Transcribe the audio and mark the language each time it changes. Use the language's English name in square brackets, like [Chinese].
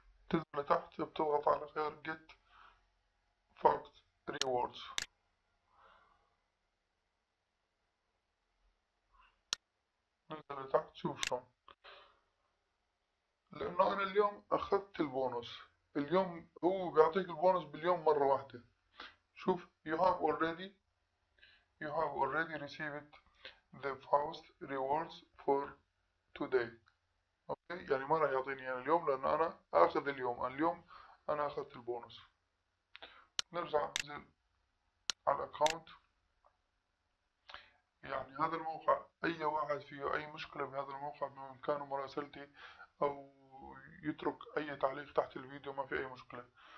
[Arabic] تنزل لتحت بتضغط على خيار [English] get fact rewards. [Arabic] تنزل لتحت شوف شلون. لأنه أنا اليوم أخذت البونص، اليوم هو بيعطيك البونص باليوم مرة واحدة. شوف، [English] you have already received the first rewards for today. [Arabic] أوكي، يعني ما راح يعطيني أنا اليوم لأنه أنا آخذ اليوم، اليوم أنا أخذت البونص. نرجع ننزل على الأكاونت. يعني هذا الموقع أي واحد فيه أي مشكلة بهذا الموقع بإمكانه مراسلتي أو يترك أي تعليق تحت الفيديو، ما في أي مشكلة.